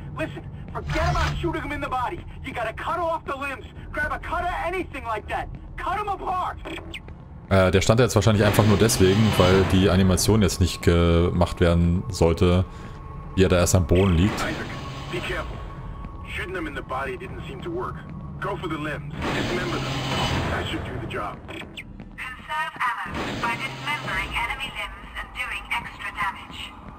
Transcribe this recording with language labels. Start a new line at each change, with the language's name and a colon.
English: Listen, forget about shooting him in the body. You gotta cut off the limbs. Grab a cutter, anything like that. Cut him apart.
German: Der stand jetzt wahrscheinlich einfach nur deswegen, weil die Animation jetzt nicht gemacht werden sollte, wie er da erst am Boden liegt.
English: Be careful. Shooting him in the body didn't seem to work. Go for the limbs. Dismember them. I should do the job. Conserve ammo by dismembering enemy limbs and doing extra damage.